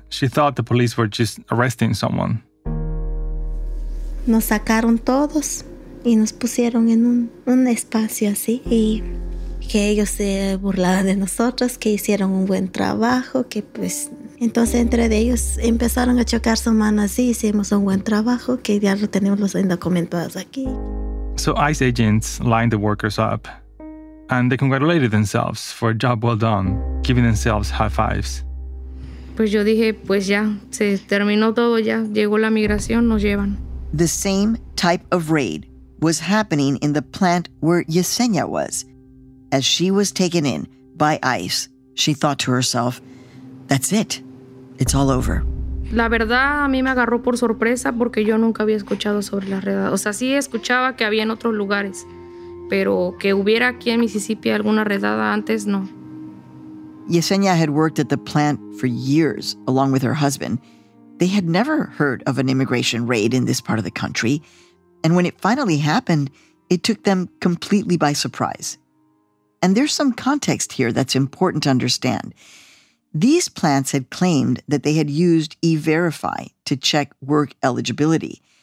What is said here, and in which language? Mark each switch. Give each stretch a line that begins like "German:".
English: She thought the police were just arresting someone.
Spanish: Nos sacaron todos y nos pusieron en un espacio así y que ellos se burlaban de nosotros, que hicieron un buen trabajo, que pues entonces entre ellos empezaron a chocar su mano así, hicimos un buen trabajo, que ya lo tenemos los indocumentados aquí.
English: So ICE agents lined the workers up, and they congratulated themselves for a job well done, giving themselves high fives.
Spanish: Pues yo dije, pues ya, se terminó todo ya, llegó la migración, nos llevan.
English: The same type of raid was happening in the plant where Yesenia was. As she was taken in by ICE, she thought to herself, that's it, it's all over.
Spanish: La verdad, a mí me agarró por sorpresa porque yo nunca había escuchado sobre la redada. O sea, sí escuchaba que había en otros lugares, pero que hubiera aquí en Mississippi alguna redada antes, no.
English: Yesenia had worked at the plant for years along with her husband. They had never heard of an immigration raid in this part of the country. And when it finally happened, it took them completely by surprise. And there's some context here that's important to understand. These plants had claimed that they had used E-Verify to check work eligibility.